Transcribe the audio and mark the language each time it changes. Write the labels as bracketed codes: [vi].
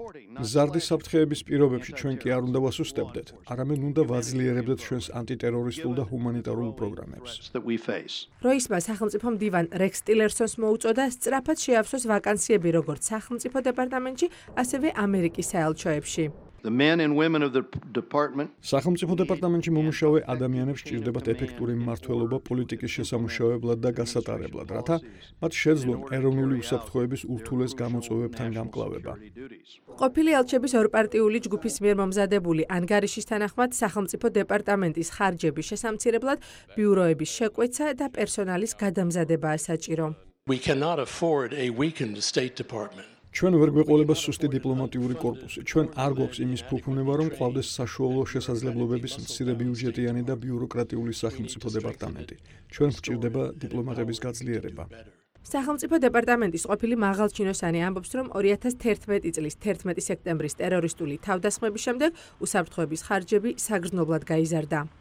[ka] მზარდი საფრთხეების პირობებში ჩვენ კი არ უნდა ვასუსტებდეთ, არამედ უნდა ვაძლიერებდეთ ჩვენს ანტიტერორისტულ და ჰუმანიტარულ პროგრამებს. როისმა სახელმწიფო მდივან რექს ტილერსონს მოუწოდა სწრაფად შეავსოს ვაკანსიები როგორც სახელმწიფო დეპარტამენტში, ასევე ამერიკის საელჩოებში. [en] The men and women of the department. [ka] სახელმწიფო დეპარტამენტში მომუშავე ადამიანებს ჭირდებათ ეფექტური მმართველობა პოლიტიკის შესამუშავებლად და გასატარებლად, რათა მათ შეძლონ ეროვნული უსაფრთხოების ურთულეს გამოწვევებთან გამკლავება. ყოფილი ელჩების ორპარტიული ჯგუფის მიერ მომზადებული ანგარიშის თანახმად, სახელმწიფო დეპარტამენტის ხარჯების შესამცირებლად ბიუროების შეკვეცა და პერსონალის გადამზადებაა საჭირო. [en] We cannot afford a weakened State Department. [ka] ჩვენ ვერ გვეყოლება სუსტი დიპლომატიური კორპუსი. ჩვენ არ გვაქვს იმის ფუფუნება, რომ ყავდეს საშუალო შესაძლებლობების მცირე ბიუჯეტიანი და ბიუროკრატიული სახელმწიფო დეპარტამენტი. ჩვენ გვჭირდება დიპლომატების გაძლიერება. სახელმწიფო დეპარტამენტის ყოფილი მაღალჩინოსანი ამბობს, რომ 2011 წლის 11 სექტემბრის ტერორისტული თავდასხმების შემდეგ უსაფრთხოების ხარჯები საგრძნობლად გაიზარდა.